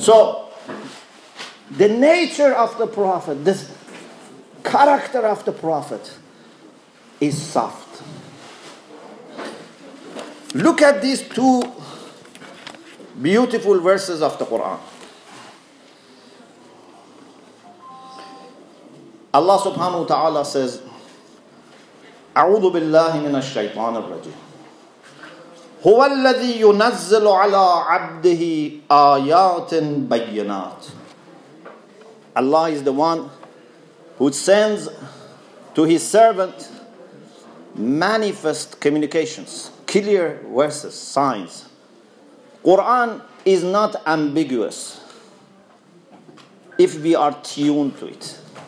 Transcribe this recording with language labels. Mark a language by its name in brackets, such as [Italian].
[English] So, the nature of the Prophet, this character of the Prophet is soft. Look at these two beautiful verses of the Quran. [Arabic] Allah subhanahu wa ta'ala says, أعوذ بالله من الشيطان الرجيم. هو الذي ينزل على عبده آيات بينات. [English] Allah is the one who sends to his servant manifest communications, clear verses, signs. Quran is not ambiguous if we are tuned to it.